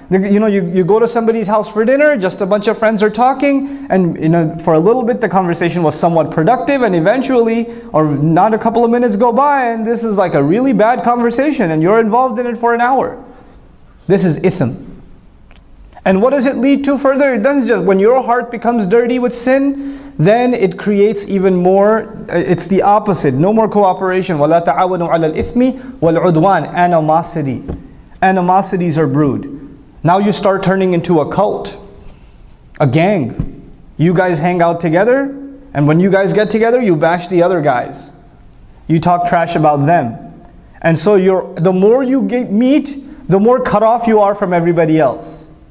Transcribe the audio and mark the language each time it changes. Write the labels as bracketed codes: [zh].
[en] You go to somebody's house for dinner, just a bunch of friends are talking, and for a little bit the conversation was somewhat productive, and eventually, or not a couple of minutes go by, and this is like a really bad conversation, and you're involved in it for an hour. This is ithm. And what does it lead to further? It doesn't just, when your heart becomes dirty with sin, then it creates even more, it's the opposite. No more cooperation. [ar] وَلَا تَعَوَنُوا عَلَى الْإِثْمِ وَالْعُدْوَانِ [en] Animosity. Animosities are brewed. Now you start turning into a cult, a gang. You guys hang out together, and when you guys get together, you bash the other guys. You talk trash about them. And so the more you meet, the more cut off you are from everybody else.